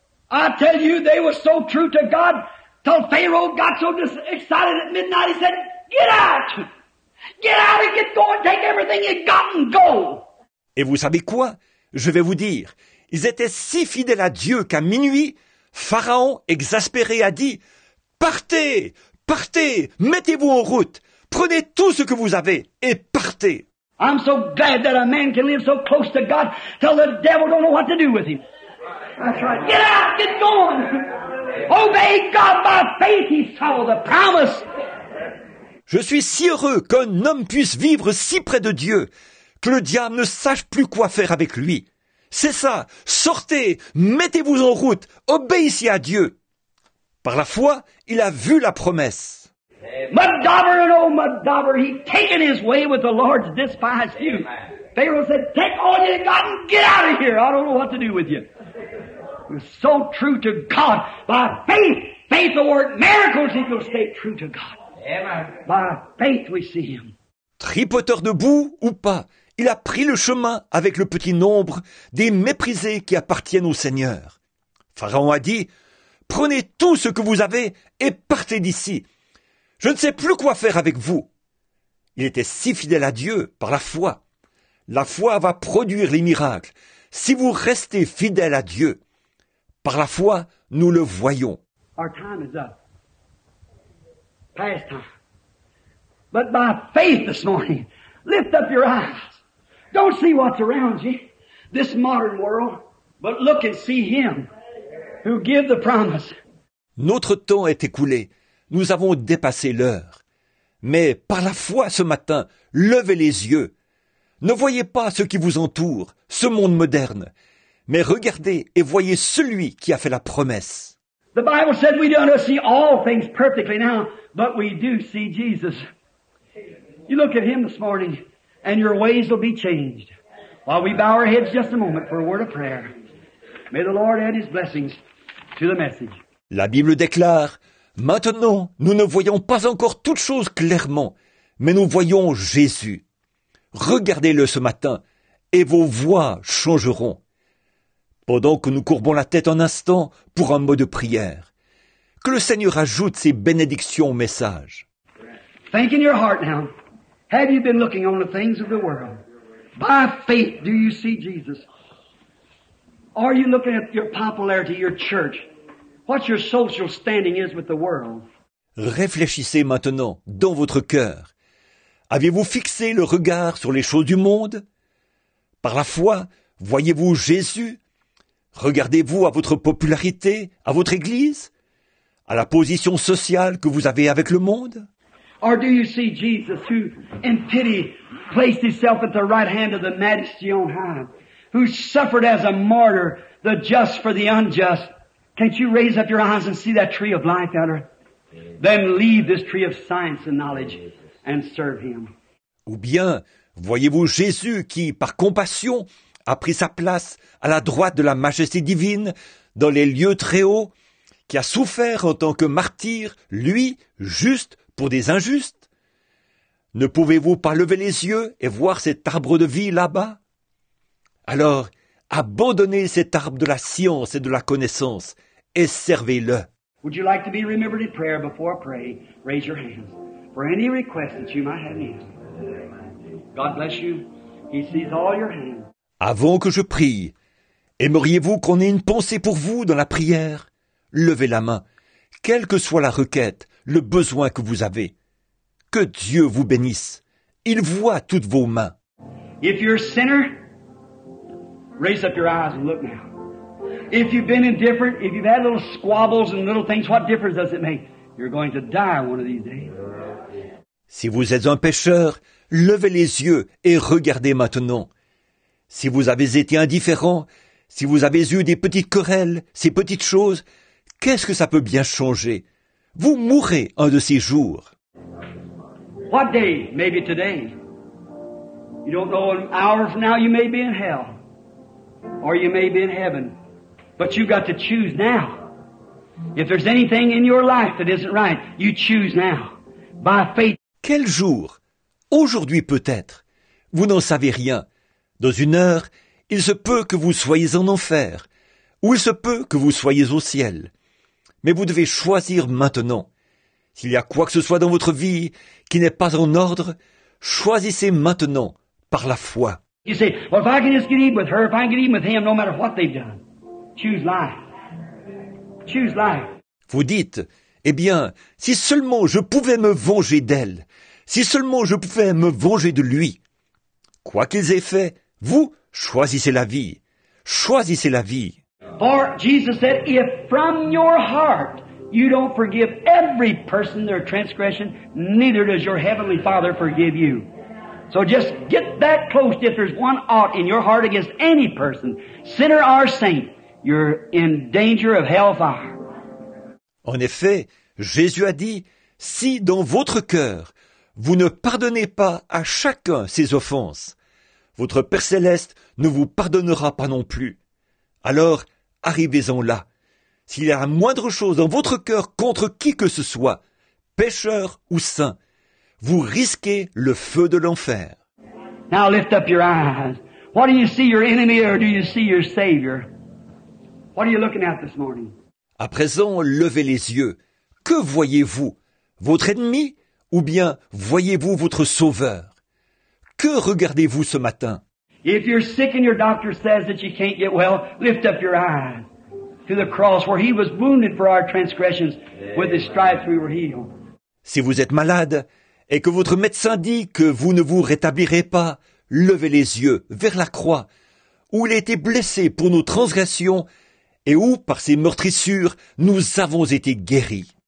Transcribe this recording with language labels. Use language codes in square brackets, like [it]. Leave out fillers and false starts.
[en] I tell you, they were so true to God, till Pharaoh got so excited at midnight, he said, get out! Get out and get going, take everything you got and go! [fr] Et vous savez quoi? Je vais vous dire, ils étaient si fidèles à Dieu qu'à minuit, Pharaon, exaspéré, a dit « Partez, partez, mettez-vous en route, prenez tout ce que vous avez et partez !» [en] I'm so glad that a man can live so close to God till the devil don't know what to do with him. That's right. Get out, get going. Obey God by faith, he saw the promise. [fr] Je suis si heureux qu'un homme puisse vivre si près de Dieu que le diable ne sache plus quoi faire avec lui. C'est ça, sortez, mettez-vous en route, obéissez à Dieu. Par la foi, il a vu la promesse. [en] Madaver and oh Madaver, he taken his way with the Lord's despised you. Pharaoh said, take all you got and get out of here. I don't know what to do with you. It was so true to God, by faith, faith the word miracles if you'll stay true to God. By faith we see him. [fr] Tripoteur debout ou pas, il a pris le chemin avec le petit nombre des méprisés qui appartiennent au Seigneur. Pharaon a dit, « Prenez tout ce que vous avez et partez d'ici. Je ne sais plus quoi faire avec vous. » Il était si fidèle à Dieu par la foi. La foi va produire les miracles. Si vous restez fidèle à Dieu, par la foi, nous le voyons. [en] Our time is up. Past time. But by faith this morning, lift up your eyes. Don't see what's around you, this modern world, but look and see him who gives the promise. [fr] Notre temps est écoulé. Nous avons dépassé l'heure. Mais par la foi ce matin, levez les yeux. Ne voyez pas ce qui vous entoure, ce monde moderne, mais regardez et voyez celui qui a fait la promesse. [en] The Bible said we don't see all things perfectly now, but we do see Jesus. You look at him this morning, and your ways will be changed. While we bow our heads just a moment for a word of prayer, may the Lord add his blessings to the message. [fr] La Bible déclare, maintenant nous ne voyons pas encore toutes choses clairement, mais nous voyons Jésus. Regardez-le ce matin, et vos voix changeront. Pendant que nous courbons la tête un instant pour un mot de prière, que le Seigneur ajoute ses bénédictions au message. [en] Think in your heart now. Have you been looking on the things of the world? By faith, do you see Jesus? Are you looking at your popularity, your church? What your social standing is with the world? [fr] Réfléchissez maintenant dans votre cœur. Avez-vous fixé le regard sur les choses du monde? Par la foi, voyez-vous Jésus? Regardez-vous à votre popularité, à votre église, à la position sociale que vous avez avec le monde? [en] Or do you see Jesus who, in pity, placed himself at the right hand of the majesty on high, who suffered as a martyr, the just for the unjust? Can't you raise up your eyes and see that tree of life, Elder? Then leave this tree of science and knowledge and serve him. [fr] Ou bien, voyez-vous Jésus qui, par compassion, a pris sa place à la droite de la majesté divine dans les lieux très hauts, qui a souffert en tant que martyr, lui, juste, pour des injustes? Ne pouvez-vous pas lever les yeux et voir cet arbre de vie là-bas? Alors, abandonnez cet arbre de la science et de la connaissance et servez-le. [en] Would you like to be remembered in prayer before I pray? Raise your hands for any request that you might have. God bless you. He sees all your hands. [fr] Avant que je prie, aimeriez-vous qu'on ait une pensée pour vous dans la prière? Levez la main, quelle que soit la requête, le besoin que vous avez. Que Dieu vous bénisse. Il voit toutes vos mains. [en] If you're a sinner, raise up your eyes and look now. If you've been indifferent, if you've had little squabbles and little things, what difference does it make? You're going to die one of these days. [fr] Si vous êtes un pécheur, levez les yeux et regardez maintenant. Si vous avez été indifférent, si vous avez eu des petites querelles, ces petites choses, qu'est-ce que ça peut bien changer? Vous mourrez un de ces jours. [en] What day? Maybe today. You don't know, an hour from now you may be in hell. Or you may be in heaven. But you've got to choose now. If there's anything in your life that isn't right, you choose now. By faith. [fr] Quel jour? Aujourd'hui peut-être. Vous n'en savez rien. Dans une heure, il se peut que vous soyez en enfer. Ou il se peut que vous soyez au ciel. Mais vous devez choisir maintenant. S'il y a quoi que ce soit dans votre vie qui n'est pas en ordre, choisissez maintenant par la foi. [en] You say, well, if I can just get even with her, if I can get even with him, no matter what they've done, choose life. Choose life. [fr] Vous dites, eh bien, si seulement je pouvais me venger d'elle, si seulement je pouvais me venger de lui. Quoi qu'ils aient fait, vous choisissez la vie. Choisissez la vie. [en] For Jesus said, if from your heart you don't forgive every person their transgression, neither does your heavenly Father forgive you. So just get that close. If there's one ought in your heart against any person, sinner or saint, you're in danger of hellfire. [fr] En effet, Jésus a dit, si dans votre cœur vous ne pardonnez pas à chacun ses offenses, votre Père céleste ne vous pardonnera pas non plus. Alors, arrivez-en là. s'il y a la moindre chose dans votre cœur contre qui que ce soit, pécheur ou saint, vous risquez le feu de l'enfer. [en] Now lift up your eyes. What do you see, your enemy, or do you see your Savior? What are you looking at this morning? [fr] À présent, levez les yeux. Que voyez-vous? Votre ennemi ou bien voyez-vous votre Sauveur? Que regardez-vous ce matin? [en] If you're sick and your doctor says that you can't get well, lift up your eyes to the cross where He was wounded for our transgressions. With His stripes we were healed. [fr] Si vous êtes malade et que votre médecin dit que vous ne vous rétablirez pas, levez les yeux vers la croix où il a été blessé pour nos transgressions et où, par ses meurtrissures, nous avons été guéris.